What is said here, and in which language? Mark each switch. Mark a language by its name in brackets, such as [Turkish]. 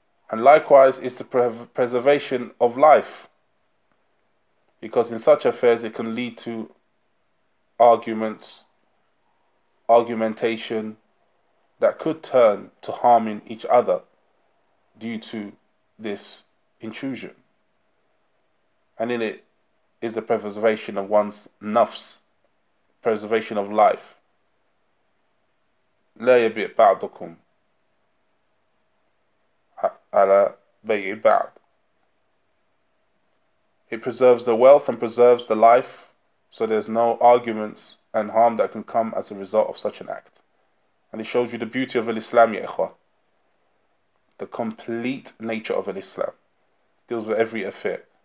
[English] And likewise is the preservation of life, because in such affairs it can lead to arguments, argumentation that could turn to harming each other due to this intrusion. And in it is the preservation of one's nafs, preservation of life. [Arabic] لا يبيع بعضكم على بيع بعض. [English] It preserves the wealth and preserves the life, so there's no arguments and harm that can come as a result of such an act. And it shows you the beauty of Al-Islam, [Arabic] ya ikhwah. [English] The complete nature of Al-Islam. deals with every affair.